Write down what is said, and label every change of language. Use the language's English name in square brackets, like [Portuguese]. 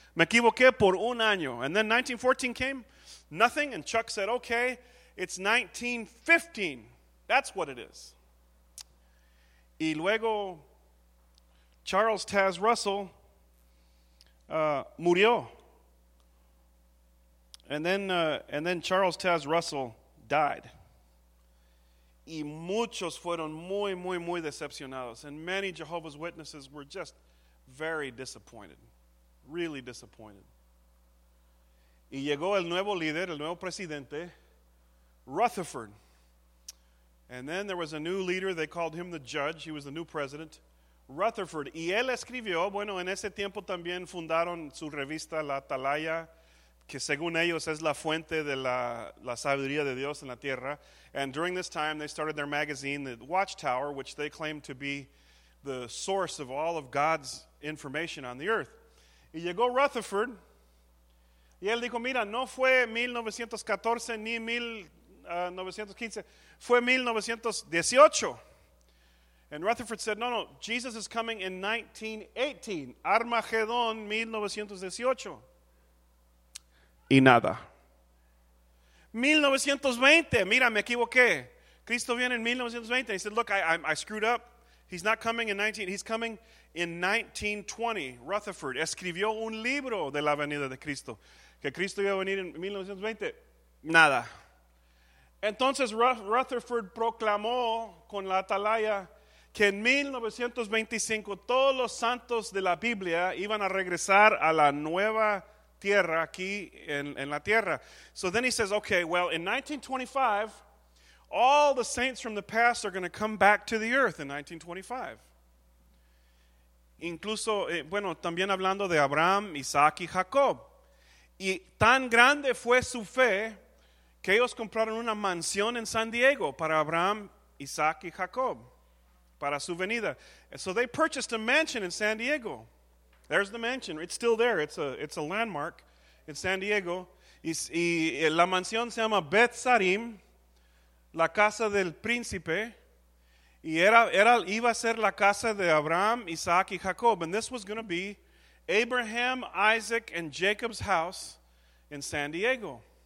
[Spanish] Me equivoqué por un año. [English] And then 1914 came, nothing, and Chuck said, okay, it's 1915. That's what it is. [Spanish] Y luego Charles Taze Russell murió. [English] And then Charles Taze Russell died. [Spanish] Y muchos fueron muy, muy, muy decepcionados. [English] And many Jehovah's Witnesses were just very disappointed. Really disappointed. [Spanish] Y llegó el nuevo líder, el nuevo presidente, Rutherford. [English] And then there was a new leader. They called him the judge. He was the new president. [Spanish] Rutherford, y él escribió, bueno, en ese tiempo también fundaron su revista La Atalaya, que según ellos es la fuente de la sabiduría de Dios en la tierra. [English] And during this time, they started their magazine, The Watchtower, which they claimed to be the source of all of God's information on the earth. [Spanish] Y llegó Rutherford, y él dijo, mira, no fue 1914 ni 1915, fue 1918. [English] And Rutherford said, no, Jesus is coming in 1918. [Spanish] Armagedón 1918. Y nada. 1920. Mira, me equivoqué. Cristo viene en 1920. [English] He said, look, I screwed up. He's not coming in 19. He's coming in 1920. [Spanish] Rutherford escribió un libro de la venida de Cristo. Que Cristo iba a venir en 1920. Nada. Entonces Rutherford proclamó con la Atalaya que en 1925 todos los santos de la Biblia iban a regresar a la nueva tierra aquí en la tierra. [English] So then he says, okay, well, in 1925, all the saints from the past are going to come back to the earth in 1925. [Spanish] Incluso, bueno, también hablando de Abraham, Isaac y Jacob. Y tan grande fue su fe Que ellos compraron una mansión en San Diego para Abraham, Isaac y Jacob para su venida. [English] So they purchased a mansion in San Diego. There's the mansion. It's still there. It's a landmark in San Diego. [Spanish] Y la mansión se llama Beth Sarim, la casa del príncipe. Y iba a ser la casa de Abraham, Isaac y Jacob. [English] And this was going to be Abraham, Isaac, and Jacob's house in San Diego.